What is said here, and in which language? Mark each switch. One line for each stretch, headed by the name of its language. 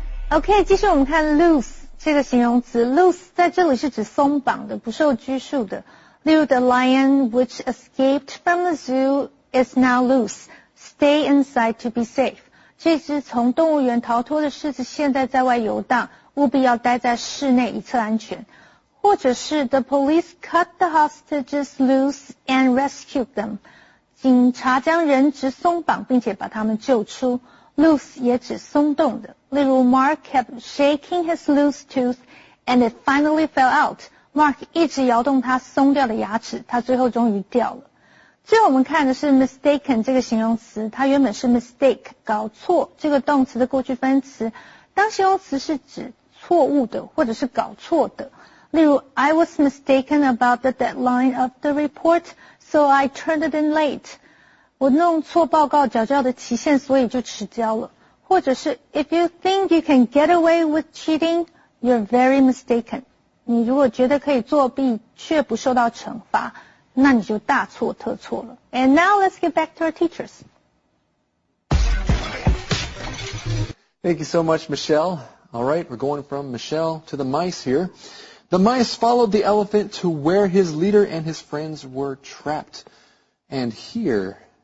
Chinese: Okay, 继续我们看 Loose. 这个形容词 loose 在这里是指松绑的，不受拘束的。例如
English: the lion which escaped from the zoo is now loose. Stay inside to be safe.
Chinese: 这只从动物园逃脱的狮子现在在外游荡，务必要待在室内以测安全。或者是
English: the police cut the hostages loose and rescued them.
Chinese: 警察将人质松绑并且把他们救出。
English: Loose
Chinese: 也指松动的。例如
English: Mark kept shaking his loose tooth and it finally fell out.
Chinese: Mark 一直摇动他松掉的牙齿，他最后终于掉了。最后我们看的是 mistaken 这个形容词，它原本是 mistake 搞错，这个动词的过去分词，当形容词是指错误的或者是搞错的。例如
English: I was mistaken about the deadline of the report, so I turned it in late.
Chinese: 我弄错报告缴交的期限，所以就迟交了。或者是
English: If you think you can get away with cheating, you're very mistaken.
Chinese: 你如果觉得可以作弊却不受到惩罚，那你就大错特错了。
English: And now let's get back to our teachers. Thank you so much, Michelle. All right, we're going from Michelle to the mice here. The mice followed the elephant to where his leader and his friends were trapped. And here,